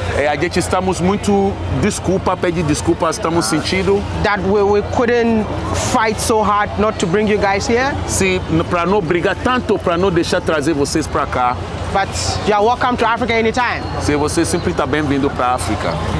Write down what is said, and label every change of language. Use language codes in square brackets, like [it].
[pt] A gente estamos muito desculpa, pedi desculpa, estamos sentindo. [en] That we couldn't fight so hard not to bring you guys here. [pt] Si, para não brigar tanto, para não deixar trazer vocês para cá. [en] But you are welcome to Africa anytime. [pt] Se você sempre está bem-vindo para África.